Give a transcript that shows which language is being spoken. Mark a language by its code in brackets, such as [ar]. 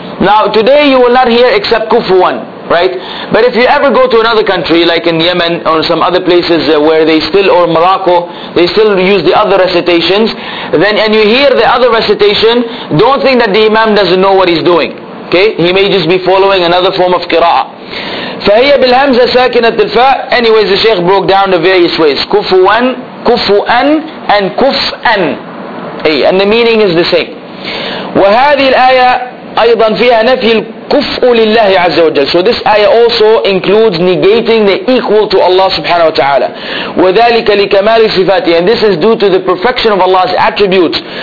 [en] Now today you will not hear except Kufuwan, right? But if you ever go to another country, like in Yemen or some other places where they still, or Morocco, they still use the other recitations, then, and you hear the other recitation, don't think that the Imam doesn't know what he's doing. Okay? He may just be following another form of qira'ah. [ar] فَهِيَ بِالْهَمْزَ سَاكِنَةِ الْفَاءِ. [en] Anyways, the Shaykh broke down the various ways. [ar] كُفُوًا, كُفُوًا, and كُفْأَن. [en] And the meaning is the same. [ar] وَهَذِي الْآيَةِ أَيْضًا فِيهَا نَفِي الْكُفْءُ لِلَّهِ عَزَّ وَجَلَّ. [en] So this ayah also includes negating the equal to Allah subhanahu wa ta'ala. [ar] وَذَلِكَ لِكَمَالِ صِفَاتِهِ. [en] And this is due to the perfection of Allah's attributes.